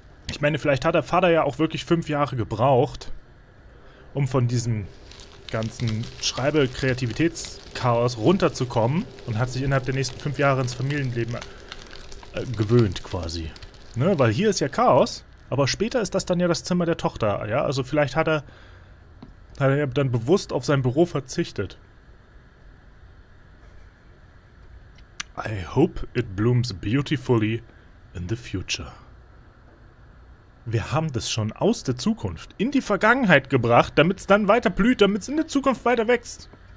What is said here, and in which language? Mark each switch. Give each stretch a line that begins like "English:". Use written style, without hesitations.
German: Ich meine, vielleicht hat der Vater ja auch wirklich 5 Jahre gebraucht, um von diesem ganzen Schreibe-Kreativitätschaos runterzukommen und hat sich innerhalb der nächsten 5 Jahre ins Familienleben gewöhnt quasi. Ne? Weil hier ist ja Chaos, aber später ist das dann ja das Zimmer der Tochter. Ja? Also vielleicht hat er ja dann bewusst auf sein Büro verzichtet.
English: I hope it blooms beautifully in the future.
German: Wir haben das schon aus der Zukunft in die Vergangenheit gebracht, damit es dann weiter blüht, damit es in der Zukunft weiter wächst.